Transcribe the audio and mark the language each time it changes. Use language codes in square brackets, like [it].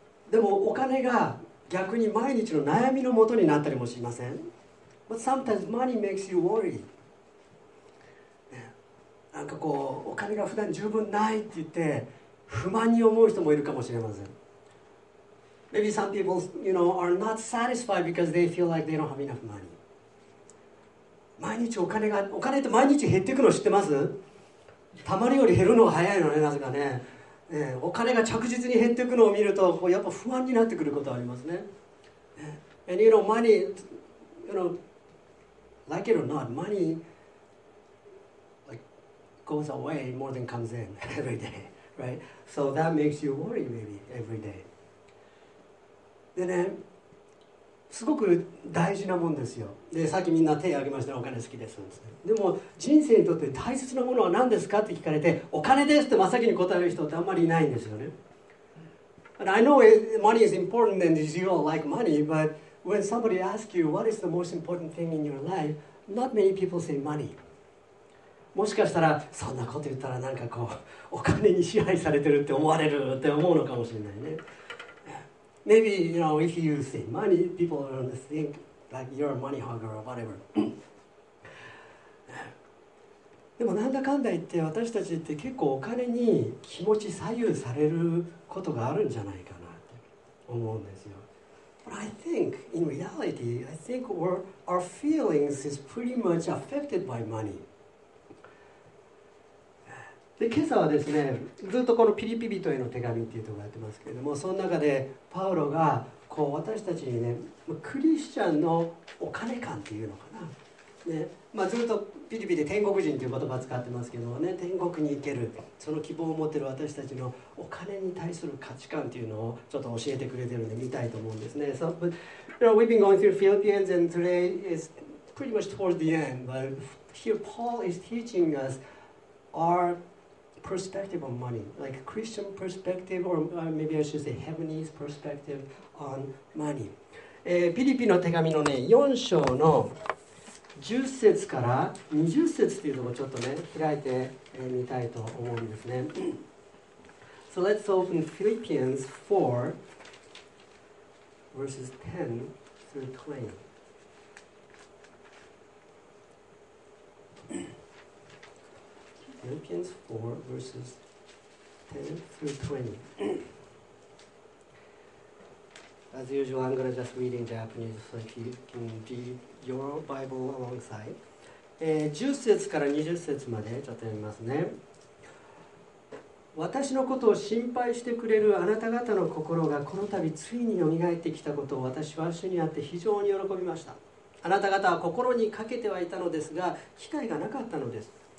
[ja] でもお金が逆に毎日の悩みのもとになったりもしません？ [en] But sometimes money makes you worry. [ja] なんかこう、お金が普段十分ないって言って不満に思う人もいるかもしれません。 [en] Maybe some people, you know, are not satisfied because they feel like they don't have enough money. [ja] 毎日お金って毎日減っていくの知ってます？たまるより減るのが早いのね、なぜかね。お金が着実に減っていくのを見ると、やっぱ不安になってくることありますね。 [en] And you know, money, you know, like it or not, money like goes away more than comes in every day, right? So that makes you worry maybe every day. [ja] でね、すごく大事なもんですよ。で、さっきみんな手を挙げました、お金好きですって。でも人生にとって大切なものは何ですかって聞かれて、お金ですって真っ先に答える人ってあんまりいないんですよね。 [en] And I know money is important and you all like money, but when somebody asks you what is the most important thing in your life, not many people say money. [ja] もしかしたら、そんなこと言ったらなんかこう、お金に支配されてるって思われるって思うのかもしれないね。 [en] Maybe, you know, if you say money, people are going to think like you're a money hogger or whatever. [ja] でもなんだかんだ言って私たちって結構お金に気持ち左右されることがあるんじゃないかなって思うんですよ。 [en] But I think, in reality, I think our feelings is pretty much affected by money. [ja] で、今朝はですね、ずっとこのピリピ人への手紙っていうところやってますけれども、その中でパウロがこう私たちにね、クリスチャンのお金感っていうのかな、ね、まあ、ずっとピリピで天国人という言葉を使ってますけどもね、天国に行けるその希望を持ってる私たちのお金に対する価値観っていうのをちょっと教えてくれてるんで見たいと思うんですね。 [en] So, but, you know, we've been going through Philippians and today is pretty much towards the end, but here Paul is teaching us our perspective on money, like Christian perspective, or maybe I should say heavenly perspective on money. [ja] ピリピの手紙のね、4章の10節から20節っていうのをちょっとね、開いてみたいと思うんですね。 [en] So let's open Philippians 4 verses 10 through 20. Philippians 4 verses 10 through 20. As usual, I'm going to just read in Japanese so if you can read your Bible alongside. [ja] 10節から20節までちょっと読みますね。私のことを心配してくれるあなた方の心がこの度ついによみがえってきたことを私は主にあって非常に喜びました。あなた方は心にかけてはいたのですが、機会がなかったのです。